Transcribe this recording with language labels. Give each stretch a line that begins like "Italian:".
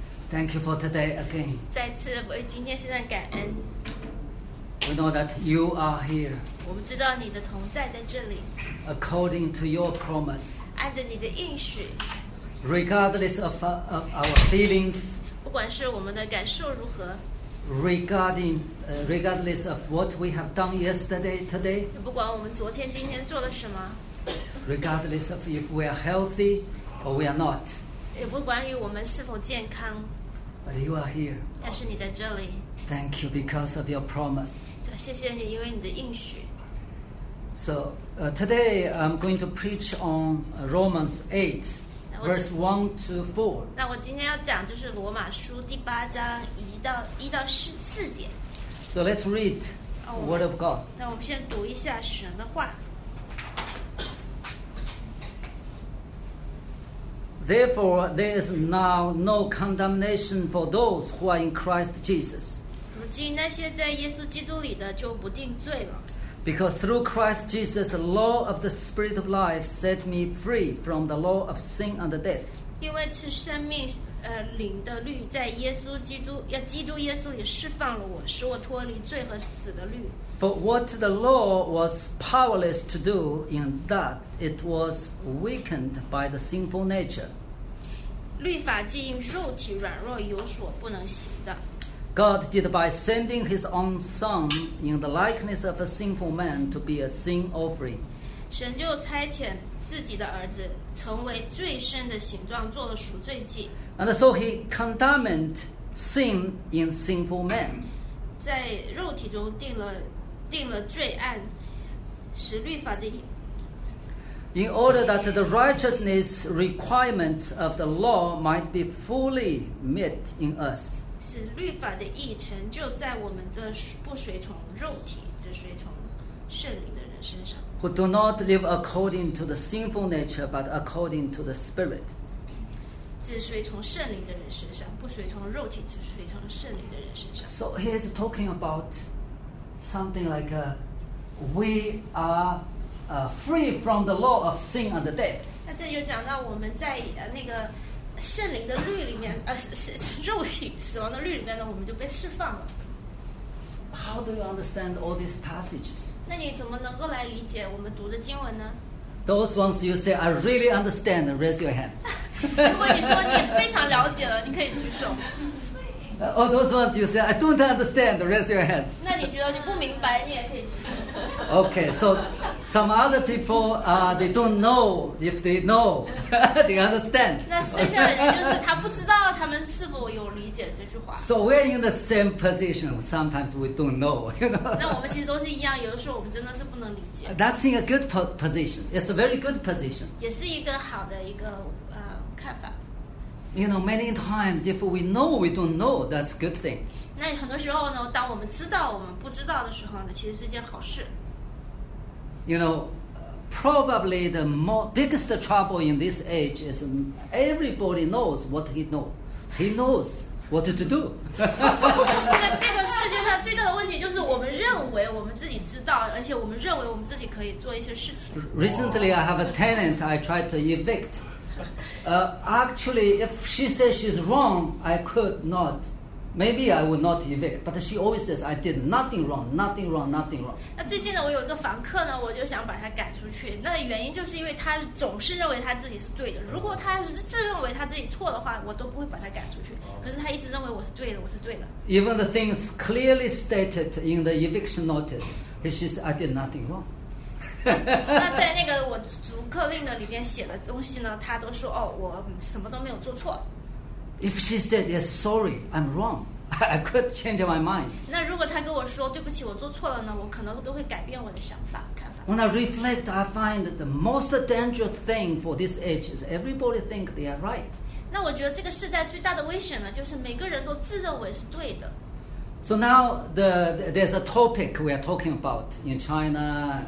English: Thank you for today again.
Chinese: 再次为今天献上感恩。
English: We know that you are here.
Chinese: 我们知道你的同在在这里。
English: According to your promise.
Chinese: 按着你的应许。
English: Regardless of our feelings.
Chinese: 不管是我们的感受如何。
English: Regardless of what we have done yesterday, today.
Chinese: 不管我们昨天、今天做了什么。
English: Regardless of if we are healthy or we are not.
Chinese: 也不管于我们是否健康。
English: But you are here.
Chinese: 但是你在这里。
English: Thank you because of your promise.
Chinese: 谢谢你，因为你的应许。
English: So, today I'm going to preach on Romans 8, verse 1 to 4.
Chinese: 那我今天要讲就是罗马书第八章一到四节。
English: So let's read the word of God.
Chinese: 那我们先读一下神的话。
English: Therefore, there is now no condemnation for those who are in Christ Jesus.
Chinese: 如今那些在耶稣基督里的就不定罪了。
English: Because through Christ Jesus, the law of the Spirit of life set me free from the law of sin and the death.
Chinese: 因为是生命灵的律在耶稣基督要基督耶稣里释放了我，使我脱离罪和死的律。
English: For what the law was powerless to do, in that it was weakened by the sinful nature.
Chinese: 律法既因肉体软弱有所不能行的。
English: God did by sending His own Son in the likeness of a sinful man to be a sin offering.
Chinese: 神就差遣自己的儿子成为罪身的形状，做了赎罪祭。
English: And so He condemned sin in sinful man.
Chinese: 在肉体中定了罪案，使律法的。
English: In order that the righteousness requirements of the law might be fully met in us.
Chinese: 使律法的义成就在我们这不随从肉体，只随从圣灵的人身上。
English: Who do not live according to the sinful nature, but according to the Spirit.
Chinese: 只随从圣灵的人身上，不随从肉体，只随从圣灵的人身上。
English: So he is talking about. Something like we are free from the law of sin and death.
Chinese: 那这就讲到我们在那个圣灵的律里面，肉体死亡的律里面呢，我们就被释放了。
English: How do you understand all these passages?
Chinese: 那你怎么能够来理解我们读的经文呢？
English: Those ones you say I really understand, raise your hand.
Chinese: 如果你说你非常了解了，你可以举手。
English: Oh, those ones you say, I don't understand, raise your hand.
Chinese: 那你觉得你不明白，你也可以举手。
English: Okay, so some other people, they don't know if they know, they understand.
Chinese: 那剩下的人就是他不知道他们是否有理解这句话。
English: So we're in the same position, sometimes we don't know, you know.
Chinese: 那我们其实都是一样，有的时候我们真的是不能理解。
English: That's in a good position, it's a very good position.
Chinese: 也是一个好的一个看法。
English: You know, many times if we know we don't know, that's a good thing.
Chinese: 那很多时候呢，当我们知道我们不知道的时候呢，其实是一件好事。
English: You know, probably the biggest trouble in this age is everybody knows what he knows. He knows what to do.
Chinese: 那这个世界上最大的问题就是我们认为我们自己知道，而且我们认为我们自己可以做一些事情。
English: Recently, I have a tenant I tried to evict. Actually, if she says she's wrong, I could not. Maybe I would not evict. But she always says I did nothing wrong, nothing wrong, nothing wrong.
Chinese: 那最近呢，我有一个房客呢，我就想把他赶出去。那原因就是因为他总是认为他自己是对的。如果他是自认为他自己错的话，我都不会把他赶出去。可是他一直认为我是对的，我是对的。
English: Even the things clearly stated in the eviction notice, she says I did nothing wrong.
Chinese: 那在那个我逐客令的里面写的东西呢，他都说哦，我什么都没有做错。
English: If she said yes, sorry, I'm wrong, I could change my mind.
Chinese: 那如果他跟我说对不起，我做错了呢，我可能都会改变我的想法看法。
English: When I reflect, I find that the most dangerous thing for this age is everybody think they are right.
Chinese: 那我觉得这个时代最大的危险呢，就是每个人都自认为是对的。
English: So now there's a topic we are talking about in China.